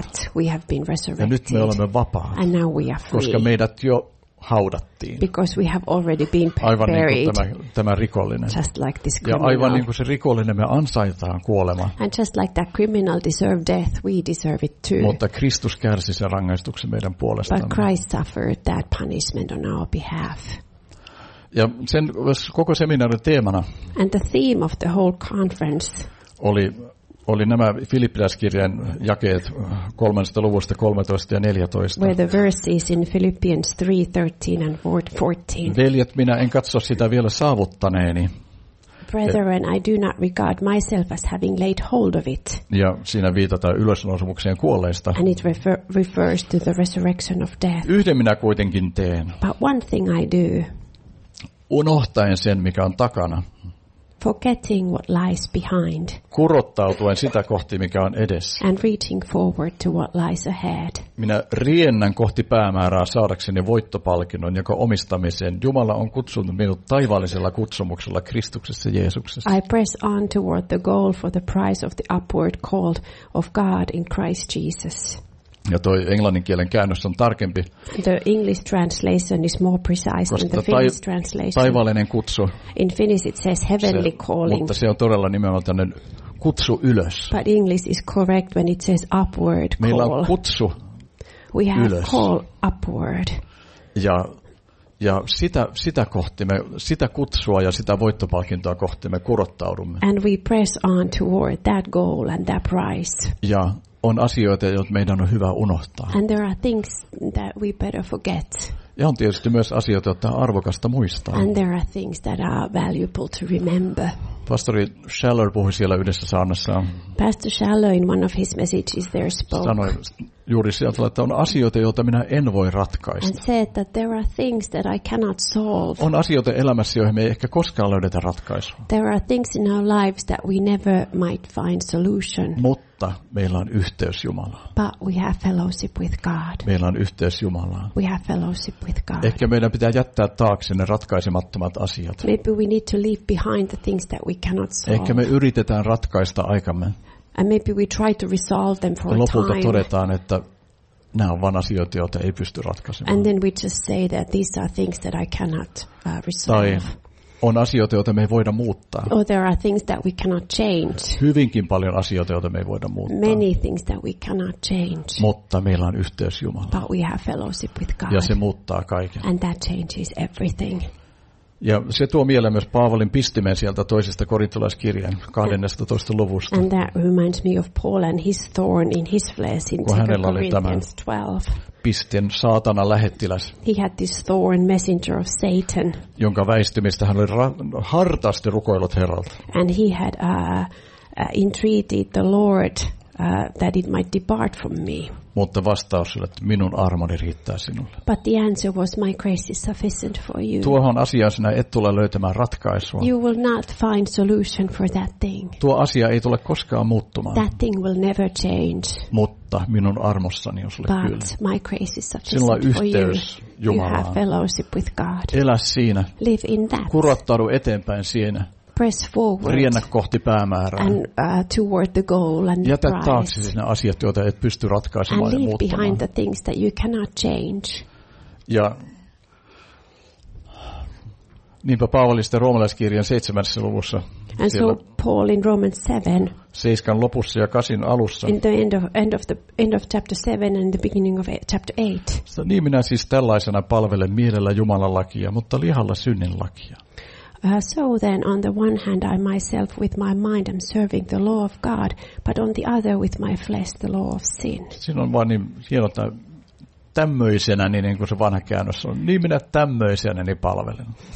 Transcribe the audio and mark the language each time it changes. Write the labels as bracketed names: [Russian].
[English] But we have been resurrected. [Finnish] Ja nyt me olemme vapaat. [English] And now we are free. [Finnish] Koska meidät jo haudattiin. [English] Because we have already been buried. [Finnish] Aivan niin kuin tämä rikollinen. [English] Just like this criminal. [Finnish] Ja aivan niin kuin se rikollinen me ansaitaan kuolema. [English] And just like that criminal deserved death, we deserve it too. [Finnish] Mutta Kristus kärsi sen rangaistuksen meidän puolestamme. [English] But Christ suffered that punishment on our behalf. [Finnish] Ja sen koko seminaarin teemana. [English] And the theme of the whole conference. [Finnish] Oli nämä Filippiläiskirjan jakeet 3. luvusta 13 ja 14. [English] Where the verses in Philippians 3, 13 and 14. [Finnish] Veljet, minä en katso sitä vielä saavuttaneeni. [English] Brethren, I do not regard myself as having laid hold of it. [Finnish] Ja siinä viitataan ylösnousumukseen kuolleista. [English] And it refers to the resurrection of death. [Finnish] Yhden minä kuitenkin teen. [English] But one thing I do. [Finnish] unohtaen sen, mikä on takana. [English] Forgetting what lies behind. [Finnish] Kurottautuen sitä kohti, mikä on edessä. [English] And reaching forward to what lies ahead. [Finnish] Minä riennän kohti päämäärää saadakseni voittopalkinnon, joka omistamiseen Jumala on kutsunut minut taivaallisella kutsumuksella Kristuksessa Jeesuksessa. [English] I press on toward the goal for the prize of the upward call of God in Christ Jesus. [Finnish] Ja toi englannin kielen käännös on tarkempi. [English] The English translation is more precise than the Finnish translation. [Finnish] Taivaallinen kutsu. [English] In Finnish it says heavenly calling. [Finnish] Mutta se on todella nimenomaan tämmöinen kutsu ylös. [English] But English is correct when it says upward call. [Finnish] Meillä on kutsu ylös. We [English] have call upward. [Finnish] Ja sitä kohti me, sitä kutsua ja sitä voittopalkintoa kohti me kurottaudumme. [English] And we press on toward that goal and that prize. [Finnish] Ja on asioita, joita meidän on hyvä unohtaa. [English] And there are things that we better forget. [Finnish] Ja on tietysti myös asioita, joita on arvokasta muistaa. [English] And there are things that are valuable to remember. [Finnish] Pastori Schaller puhui siellä yhdessä saarnassa. [English] Pastor Schaller in one of his messages there spoke. [Finnish] Sanoi juuri sieltä, että on asioita, joita minä en voi ratkaista. [English] And said that there are things that I cannot solve. [Finnish] On asioita elämässä, joihin me ei ehkä koskaan löydetä ratkaisua. [English] There are things in our lives that we never might find solution. [Finnish] Mutta meillä on yhteys Jumalaan. [English] But we have fellowship with God. [Finnish] Meillä on yhteys Jumalaan. [English] We have fellowship with God. [Finnish] Ehkä meidän pitää jättää taakse ne ratkaisemattomat asiat. [English] Maybe we need to leave behind the things that we cannot solve. [Finnish] Ehkä me yritetään ratkaista aikamme. [English] And maybe we try to resolve them for a time. [Finnish] Lopulta todetaan, että nämä on vain asioita, joita ei pysty ratkaisemaan. [English] And then we just say that these are things that I cannot resolve. [Finnish] On asioita, joita me ei voida muuttaa. [English] Or there are things that we cannot change. [Finnish] Hyvinkin paljon asioita, joita me ei voida muuttaa. [English] Many things that we cannot change. [Finnish] Mutta meillä on yhteys Jumalaan. [English] But we have fellowship with God. [Finnish] Ja se muuttaa kaiken. [English] And that changes everything. [Finnish] Ja se tuo mieleen myös Paavalin pistimen sieltä toisesta korintolaiskirjan 12. luvusta. [English] And that reminds me of Paul and his thorn in his flesh in 2 Corinthians 12. [Finnish] Pistin saatana lähettiläs. [English] He had this thorn, messenger of Satan. [Finnish] Jonka väistymistä hän oli hartaasti rukoillut Herralta. [English] And he had entreated the Lord that it might depart from me. [Finnish] Mutta vastaus oli, että minun armoni riittää sinulle. [English] But the answer was my grace is sufficient for you. [Finnish] Tuohon asiaan sinä et tule löytämään ratkaisua. [English] You will not find solution for that thing. [Finnish] Tuo asia ei tule koskaan muuttumaan. [English] That thing will never change. [Finnish] Mutta minun armossani on sulle kyllä. [English] But my grace is sufficient. [Finnish] Sinulla on yhteys Jumalaan. [English] You have fellowship with God. [Finnish] Elä siinä. [English] Live in that. [Finnish] Kurottaudu eteenpäin siinä. [English] Press forward. [Finnish] Riennä kohti päämäärää. [English] And toward the goal and [Finnish] jätä [English] the prize. [Finnish] Jätä taakse sinne asiat, joita et pysty ratkaisemaan ja muuttamaan. [English] And leave behind the things that you cannot change. [Finnish] Ja niinpä Paavali sitten roomalaiskirjan 7. luvussa. [English] And so Paul in Romans 7. [Finnish] 7 lopussa ja 8 alussa. [English] In the end of chapter 7 and the beginning of chapter 8. [Finnish] So, niin minä siis tällaisena palvelen mielellä Jumalan lakia, mutta lihalla synnin lakia. [English] So then, on the one hand, I myself with my mind am serving the law of God, but on the other with my flesh the law of sin. [Finnish] Siinä on vaan niin hieno, että tämmöisenä, niin kuin se vanha käännös on, niin minä tämmöisenä niin palvelen.